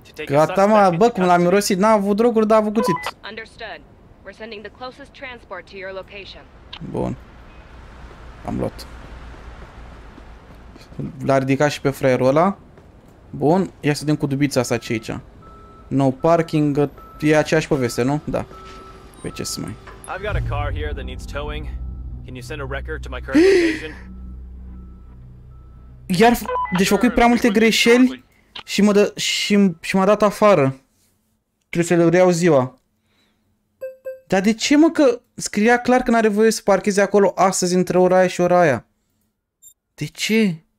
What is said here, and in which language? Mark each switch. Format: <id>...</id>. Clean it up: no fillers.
<ro>Gata, mă, bă, cum l-am mirosit, n-a avut droguri, dar a avut cuțit.</ro> <en>Understood. We're sending the closest transport to your location.</en> <ro>Bun. Am luat. L-a ridicat și pe fraierul ăla. Bun, ia să vedem cu dubița asta ce e aici.</ro> <en>No parking,</en> <ro>e aceeași poveste, nu? Da. Pe ce să mai...</ro> <en>I've got a car here that needs towing. Can you send a wrecker to my current location?</en> <ro>Iar, deci făcui prea multe greșeli. Și m-a dat afară. Trebuie să le reiau ziua. Dar de ce, mă, că scria clar că n-are voie să parcheze acolo astăzi între ora aia și ora aia? De ce?</ro>